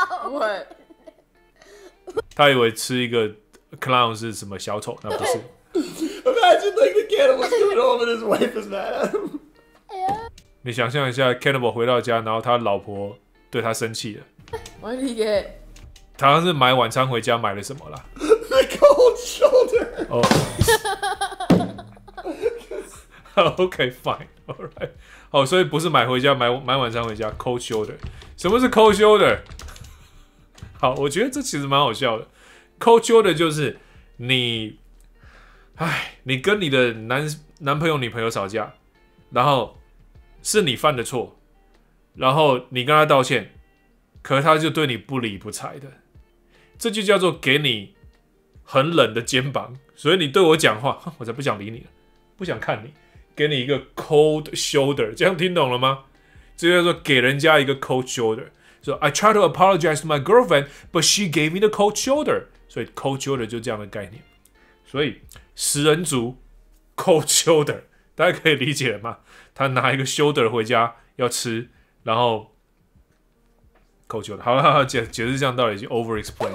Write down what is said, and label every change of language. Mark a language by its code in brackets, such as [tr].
[en] ？What？ [zh] 他以为吃一个。 Clown 是什么小丑？那不是。 [en] Imagine like the cannibal coming home and his wife is mad at him. [zh] 你想象一下 ，cannibal 回到家，然后他老婆对他生气了。 [en] What did he get? [zh] 他好像是买晚餐回家买了什么啦 [en] ？The cold shoulder. Oh. Okay, fine. All right. [zh] 好，所以不是买回家买晚餐回家 ，cold shoulder. 什么是 cold shoulder？好，我觉得这其实蛮好笑的。Cold shoulder 就是你，哎，你跟你的男朋友、女朋友吵架，然后是你犯的错，然后你跟他道歉，可他就对你不理不睬的，这就叫做给你很冷的肩膀，所以你对我讲话，我才不想理你了，不想看你，给你一个 cold shoulder， 这样听懂了吗？这叫做给人家一个 [en] cold shoulder， 说 I try to apologize to my girlfriend， but she gave me the cold shoulder。 [zh] 所以 cold shoulder 就这样的概念，所以食人族 cold shoulder 大家可以理解了吗？他拿一个 shoulder 回家要吃，然后 cold shoulder 好解释这样到底已经 over explained。